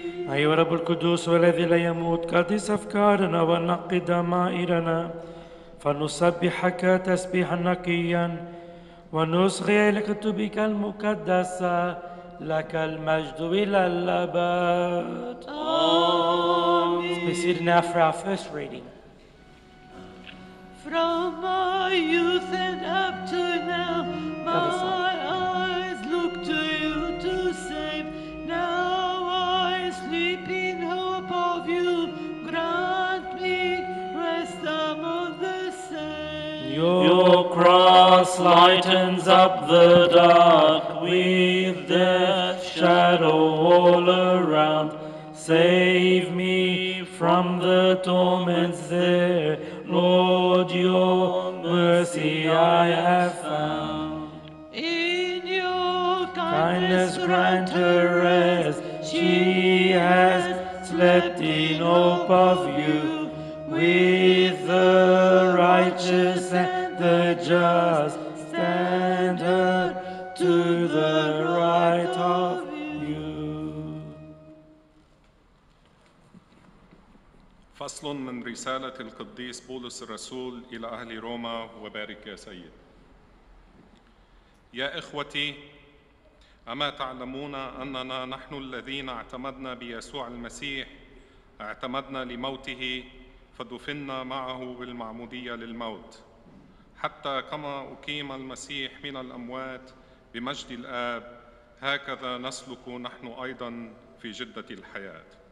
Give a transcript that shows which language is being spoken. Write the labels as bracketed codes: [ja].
[ar] أيها الرب القدوس والذي لا يموت قدس أفكارنا ونقي ضمائرنا فنسبحك تسبيحا نقيا ونصغي لكتبك المقدسة لك المجد إلى الأبد آمين. [en] Let's be seated now for our first reading. From my youth and up to now, my eyes look to you to save. Now I sleep in hope of you. Grant me rest among the saints. Your cross lightens up the dark with death's shadow all around. Save me from the torments there. Lord, your mercy I have found. In your kindness grant her rest. She has slept in hope of you. With the righteous and the just, stand her to the right of you. [ar] فصلٌ من رسالة القديس بولس الرسول إلى أهل روما وبارك يا سيد. يا إخوتي، أما تعلمون أننا نحن الذين اعتمدنا بيسوع المسيح، اعتمدنا لموته فدفننا معه بالمعمودية للموت، حتى كما أقيم المسيح من الأموات بمجد الآب، هكذا نسلك نحن أيضا في جدة الحياة.